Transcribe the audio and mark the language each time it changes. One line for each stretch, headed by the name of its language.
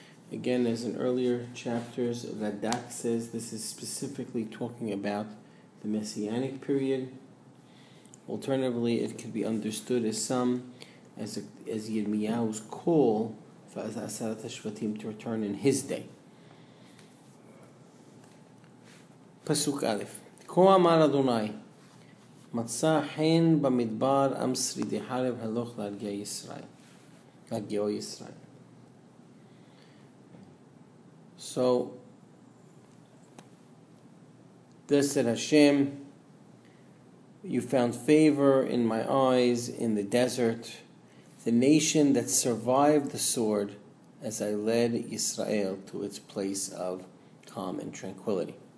English: Again, as in earlier chapters, Radak says this is specifically talking about the Messianic period. Alternatively, it could be understood as as Yirmiyahu's call for Sederet HaShivatim to return in his day. Pasuk Aleph.
Hebrew: כה אמר אדוני, מצא חן במדבר עם שרידי חרב הלוך להרגיע ישראל, להרגיעו ישראל.
English: So, thus said Hashem, you found favor in my eyes in the desert, the nation that survived the sword as I led Israel to its place of calm and tranquility.